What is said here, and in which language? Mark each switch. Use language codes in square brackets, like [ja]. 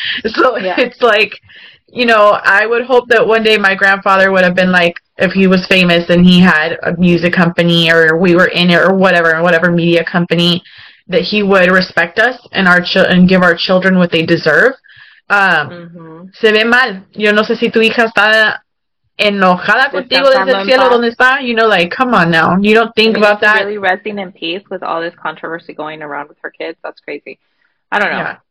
[en] So it's like, you know, I would hope that one day my grandfather would have been like, if he was famous and he had a music company or we were in it or whatever media company, that he would respect us and and give our children what they deserve. [es] Se ve mal. Yo no sé si tu hija está enojada contigo desde el cielo. ¿Dónde está? [en] You know, like, come on now. You don't think about that. Really resting in peace with all this controversy going around with her kids. That's crazy. I don't know.